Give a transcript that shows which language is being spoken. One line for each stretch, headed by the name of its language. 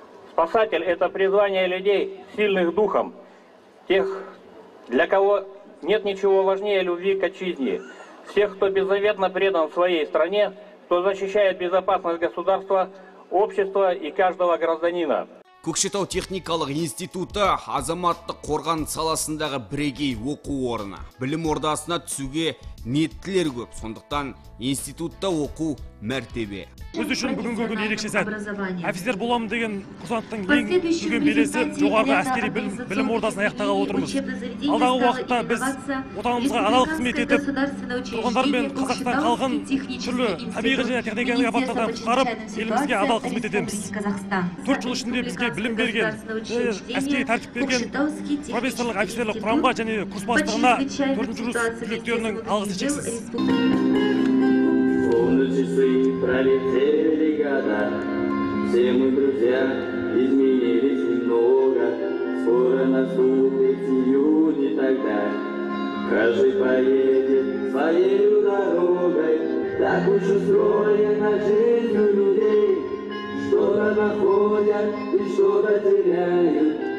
Russian: Спасатель – это призвание людей, сильных духом, тех, для кого нет ничего важнее любви к отчизне, всех, кто беззаветно предан своей стране, кто защищает безопасность государства, общества и каждого гражданина.
Kazakh: Көкшетау техникалық институты азаматтық қорған саласындағы бірегей оқу орны. Білім ордасына түсуге ниеттілер көп, сондықтан институтта оқу мәртебе. Біз үшін бүгінгі күн ерекше сәт. Офицер боламын деген курсанттың ең үлкен белесі жоғарғы әскери білім ордасын аяқтағалы отырмыз. Алдағы уақытта біз отанымызға адал қызмет етіп, тұрғындар мен Қазақстан халқын түрлі табиғи және техникалық апаттардан құтқарып, елімізге адал қызмет етеміз. 4 жыл ішінде бізге білім берген, әскери тәртіп берген профессорлық офицерлік құрамға және курс бастығына 4-ші курс түлектерінің алғысы шексіз.
Russian: Пролетели года, все мы, друзья, изменились немного. Скоро наступит июнь и тогда каждый поедет своей дорогой. Так уж устроена жизнь у людей, что-то находят и что-то теряют.